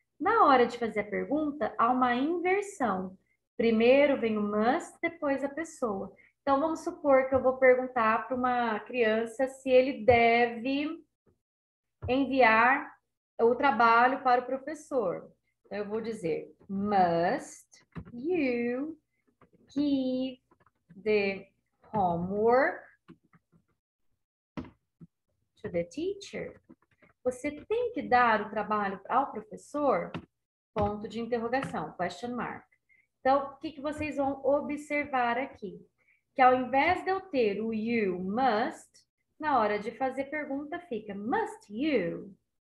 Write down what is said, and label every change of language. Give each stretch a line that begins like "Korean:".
Portuguese: Na hora de fazer a pergunta, há uma inversão. Primeiro vem o must, depois a pessoa. Então, vamos supor que eu vou perguntar para uma criança se ele deve enviar o trabalho para o professor. Então, eu vou dizer:
English: must you keep the homework to the teacher?
Portuguese: Você tem que dar o trabalho ao professor? Ponto de interrogação,
English: question mark.
Portuguese: Então, o que que vocês vão observar aqui? Que ao invés de eu ter o
English: you must,
Portuguese: na hora de fazer pergunta fica
English: must you?